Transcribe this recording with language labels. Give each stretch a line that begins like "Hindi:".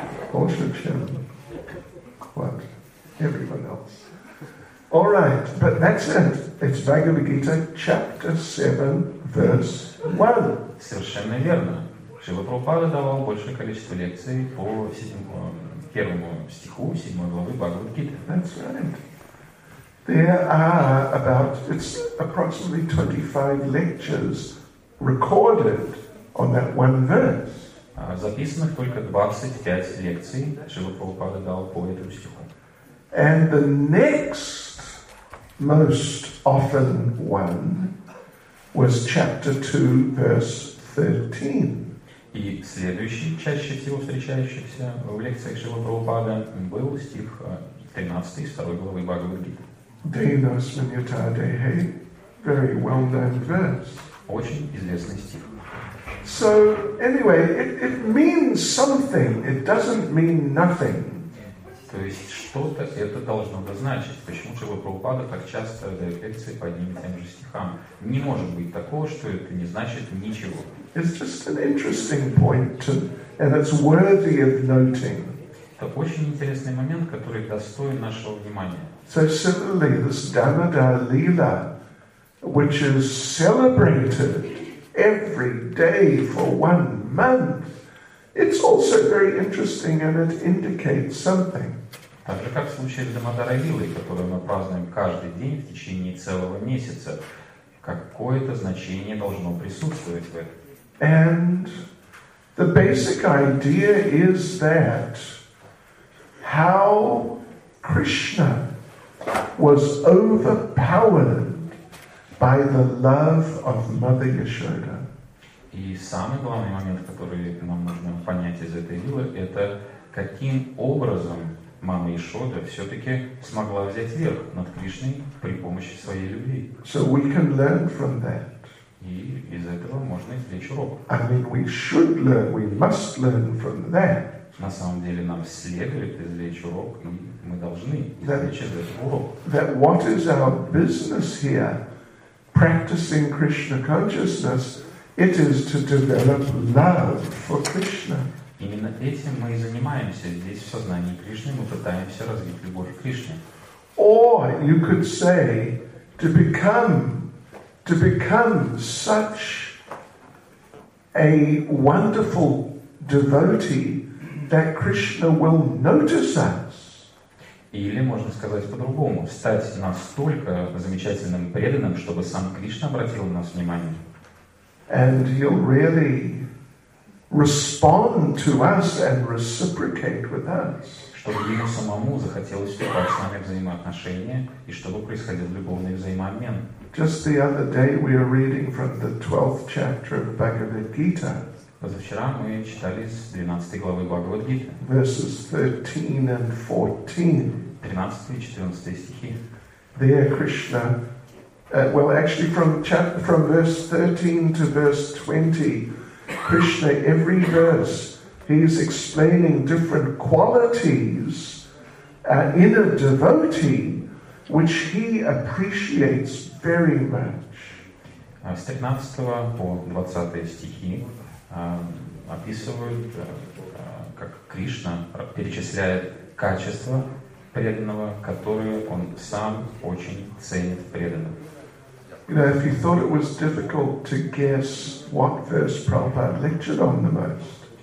Russian: Больше, чем
English: what everyone else. All right, but that's it. It's Bhagavad Gita, chapter 7, verse 1.
Russian: Совершенно верно. Шрила Прабхупада давал большее количество лекций по первому стиху, седьмой главы Бхагавад Гиты.
English: That's right. There are about, it's approximately 25 lectures recorded on that one verse.
Russian: Записанных только 25 лекций Шрила Прабхупада дал по этому стиху.
English: And the next most often one was chapter 2, verse 13.
Russian: И следующий, чаще всего встречающийся в лекциях Шрилы Прабхупады, был стих 13 второй главы Бхагавад-гиты.
English: Deva Smita Dehe, very well known verse.
Russian: Очень известный стих.
English: So, anyway, it means something, it doesn't mean nothing.
Russian: То есть что-то это должно бы значить. Почему Шрилы Прабхупада так часто дает лекции по одним и тем же стихам? Не может быть такого, что это не значит ничего.
English: It's just an interesting point, and it's worthy of noting.
Russian: Это очень интересный момент, который достоин нашего внимания.
English: So similarly, this Damodar Lila, which is celebrated every day for one month, it's also very interesting, and it indicates something.
Russian: Так же, как в случае с Дамодара Лилой, которую мы празднуем каждый день в течение целого месяца, какое-то значение должно присутствовать в этом.
English: And the basic idea is that how Krishna was overpowered by the love of Mother Yashoda.
Russian: И самый главный момент, который нам нужно понять из этой лилы, это каким образом Мама Яшода все-таки смогла взять верх над Кришной при помощи своей любви.
English: So we can learn from that.
Russian: И из этого можно извлечь урок.
English: I mean, we should learn, we must learn from that.
Russian: На самом деле, нам следует извлечь урок, и мы должны извлечь из этого урок.
English: That what is our business here, practicing Krishna consciousness, it is to develop love for Krishna.
Russian: Именно этим мы и занимаемся здесь, в сознании Кришны, мы пытаемся развить любовь к Кришне.
English: Or you could say, to become to become such a wonderful devotee that Krishna will notice us.
Russian: Или можно сказать по-другому, стать настолько замечательным преданным, чтобы сам Кришна обратил на нас внимание.
English: And he'll really respond to us and reciprocate with us.
Russian: Чтобы ему самому захотелось вступать с нами в взаимоотношения и чтобы происходил любовный взаимообмен.
English: Just the other day we were reading from the 12th chapter of Bhagavad Gita.
Russian: Позавчера мы читали с 12 главы Бхагавад Гиты.
English: Verses 13 and 14.
Russian: 13 и 14 стихи.
English: There Krishna, well actually from verse 13 to verse 20, Krishna every verse he is explaining different qualities in a devotee which he appreciates very much.
Russian: С 13 по 20 стихи описывают, как Кришна перечисляет качества преданного, которые он сам очень ценит в преданном.
English: You know, if you thought it was difficult to guess what verse Prabhupada lectured on the most.